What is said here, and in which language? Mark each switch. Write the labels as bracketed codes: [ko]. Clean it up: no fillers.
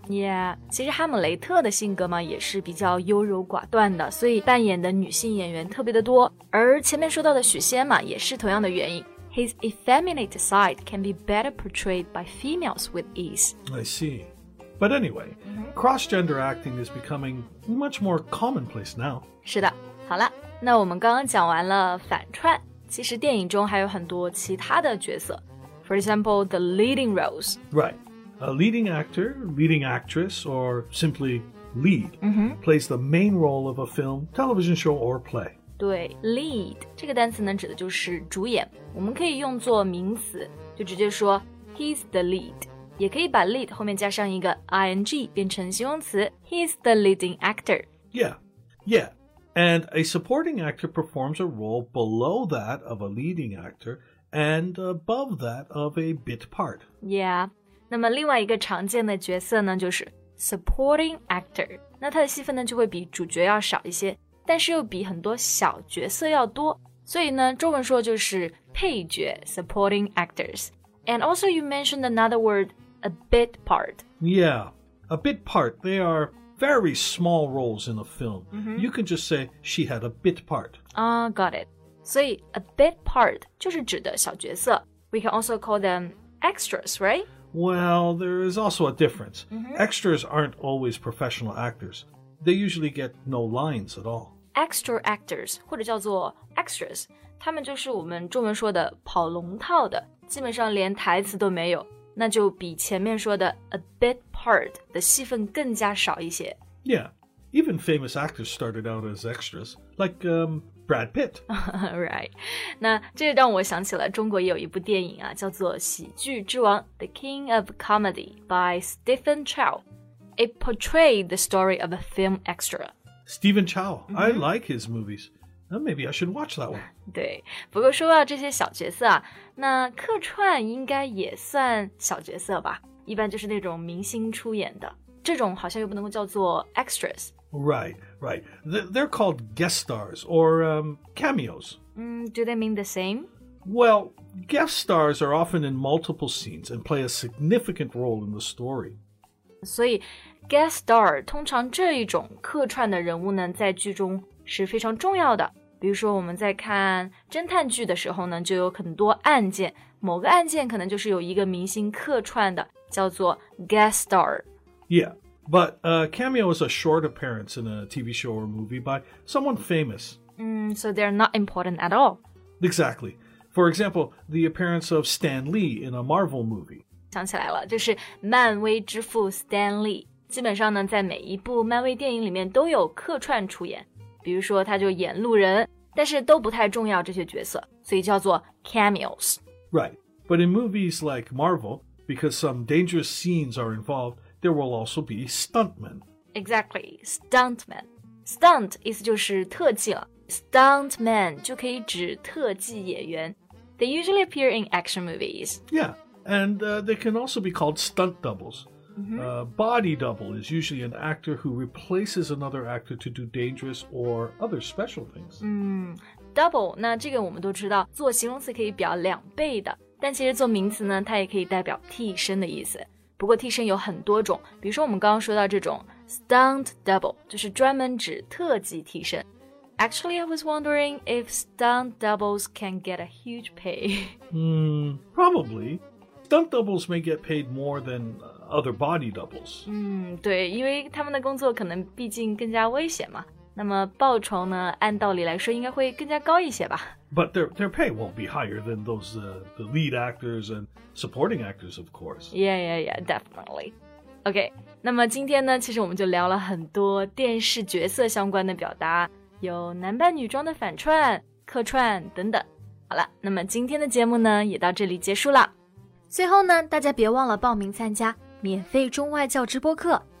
[en] Yeah. [zh] 其实哈姆雷特的性格嘛也是比较优柔寡断的，所以扮演的女性演员特别的多。而前面说到的许仙嘛也是同样的原因。 [en] His effeminate side can be better portrayed by females with ease. I see. But anyway, cross-gender acting is becoming much more commonplace now. [zh] 是的。好了，那我们刚刚讲完了反串，其实电影中还有很多其他的角色。 [en] For example, the leading roles. Right. A leading actor, leading actress, or simply lead, plays the main role of a film, television show, or play. [zh] 对 ,lead, 这个单词呢指的就是主演。我们可以用作名词，就直接说 [en] he's the lead。 [zh] 也可以把 lead 后面加上一个 ing, 变成形容词 [en] he's the leading actor. Yeah, yeah. And a supporting actor performs a role below that of a leading actor and above that of a bit part. [zh] Yeah, 那么另外一个常见的角色呢就是 supporting actor. 那他的戏份呢就会比主角要少一些。但是又比很多小角色要多。所以呢中文说就是配角 supporting actors. [en] And also you mentioned another word, a bit part. Yeah, a bit part. They are very small roles in a film.、 Mm-hmm. You can just say she had a bit part. Ah,、got it. [zh] 所以 a bit part 就是指的小角色。 [en] We can also call them extras, right? Well, there is also a difference.、 Mm-hmm. Extras aren't always professional actors. They usually get no lines at all. [zh] Extra actors, 或者叫做 extras, 他们就是我们中文说的跑龙套的，基本上连台词都没有，那就比前面说的 a bit part 的戏份更加少一些。 [en] Yeah, even famous actors started out as extras, like Brad Pitt. Right. [zh] 那这让我想起了中国也有一部电影啊，叫做《喜剧之王》The King of Comedy by Stephen Chow. [en] It portrayed the story of a film extra. Stephen Chow,、mm-hmm. I like his movies. Maybe I should watch that one. [zh] 对，不过说到这些小角色啊，那客串应该也算小角色吧？一般就是那种明星出演的，这种好像又不能够叫做 extras. [en] Right, right. They're called guest stars or cameos.、 do they mean the same? Well, guest stars are often in multiple scenes and play a significant role in the story. [zh] 所以 guest star 通常这一种客串的人物呢在剧中是非常重要的比如说我们在看侦探剧的时候呢就有很多案件某个案件可能就是有一个明星客串的叫做 guest star [en] Yeah, but a cameo is a short appearance in a TV show or movie by someone famous So they're not important at all Exactly, for example, the appearance of Stan Lee in a Marvel movie [zh] 想起来了，就是漫威之父 Stan Lee， 基本上呢，在每一部漫威电影里面都有客串出演，比如说他就演路人，但是都不太重要这些角色，所以叫做 cameos。 [en] Right, but in movies like Marvel, because some dangerous scenes are involved, there will also be stuntmen. Exactly, stuntmen. [zh] Stunt 意思就是特技了 ，stuntman 就可以指特技演员。 [en] They usually appear in action movies. Yeah. And they can also be called stunt doubles. A body double is usually an actor who replaces another actor to do dangerous or other special things. [zh] Double, 那这个我们都知道，做形容词可以表两倍的，但其实做名词呢，它也可以代表替身的意思。不过替身有很多种，比如说我们刚刚说到这种 stunt double, 就是专门指特技替身。 [en] Actually, I was wondering if stunt doubles can get a huge pay. Probably. Stunt doubles may get paid more than other body doubles. [zh] 对，因为他们的工作可能毕竟更加危险嘛。那么报酬呢，按道理来说应该会更加高一些吧。 [en] But their pay won't be higher than those the lead actors and supporting actors, of course. Yeah, yeah, yeah, definitely. [zh] Okay, 那么今天呢，其实我们就聊了很多电视角色相关的表达，有男扮女装的反串、客串等等。好了，那么今天的节目呢，也到这里结束了。最后呢，大家别忘了报名参加免费中外教直播课。